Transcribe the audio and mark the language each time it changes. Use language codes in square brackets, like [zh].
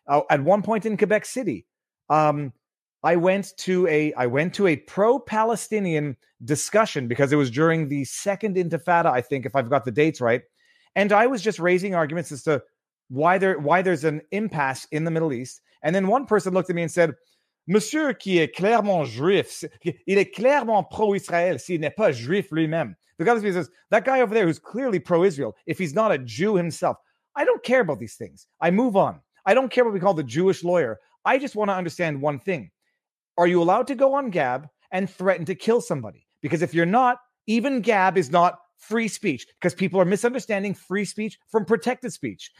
[en] At one point in Quebec City, I went to a pro-Palestinian discussion because it was during the second Intifada, I think, if I've got the dates right. And I was just raising arguments as to why there's an impasse in the Middle East. And then one person looked at me and said, [fr] Monsieur qui est clairement juif, il est clairement pro-Israël s'il n'est pas juif lui-même. [en] The guy looks at me and says, that guy over there who's clearly pro-Israel, if he's not a Jew himself, I don't care about these things. I move on. I don't care what we call the Jewish lawyer. I just want to understand one thing. Are you allowed to go on Gab and threaten to kill somebody? Because if you're not, even Gab is not free speech, because people are misunderstanding free speech from protected speech.